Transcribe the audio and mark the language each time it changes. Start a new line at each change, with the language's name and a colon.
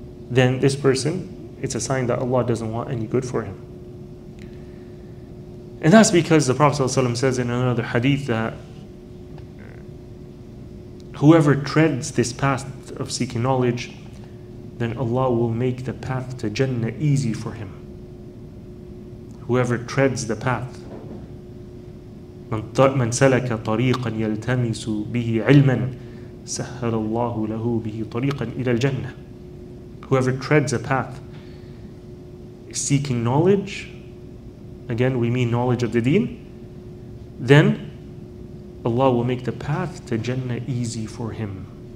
English: Then this person, it's a sign that Allah doesn't want any good for him. And that's because the Prophet ﷺ says in another hadith that whoever treads this path of seeking knowledge, then Allah will make the path to Jannah easy for him. Whoever treads the path,
Arabic: مَنْ سَلَكَ طَرِيقًا يَلْتَمِسُ بِهِ عِلْمًا سَهَّلَ اللَّهُ لَهُ بِهِ طَرِيقًا إِلَى الْجَنَّةِ.
English: Whoever treads a path seeking knowledge, again we mean knowledge of the deen, then Allah will make the path to Jannah easy for him.